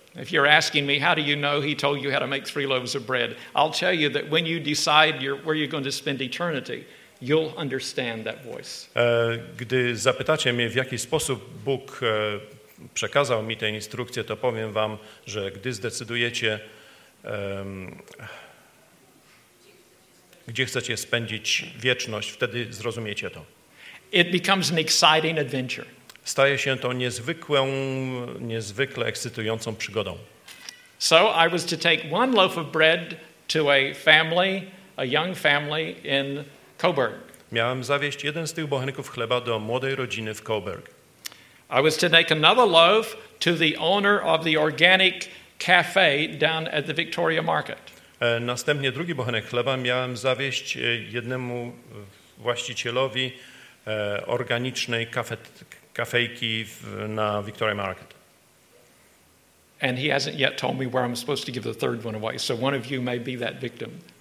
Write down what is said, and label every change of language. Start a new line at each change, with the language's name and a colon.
English: If you're asking me how do you know he told you how to make 3 loaves of bread, I'll tell you that when you decide where you're going to spend eternity, you'll understand that voice.
Polish: Gdy zapytacie mnie, w jaki sposób Bóg przekazał mi tę instrukcję, to powiem wam, że gdy zdecydujecie, gdzie chcecie spędzić wieczność, wtedy zrozumiecie to.
English: It becomes an exciting adventure.
Polish: Staje się to niezwykle ekscytującą przygodą.
English: So I was to take one loaf of bread to a family, a young family in Coburg.
Polish: Miałem zawieźć jeden z tych bochenków chleba do młodej rodziny w Coburg.
English: I was to take another loaf to the owner of the organic cafe down at the Victoria Market.
Polish: Następnie drugi bochenek chleba miałem zawieźć jednemu właścicielowi organicznej kafejki na Victoria Market.
English: And he hasn't yet told me where I'm supposed to give the third one away, so one of you may be that victim.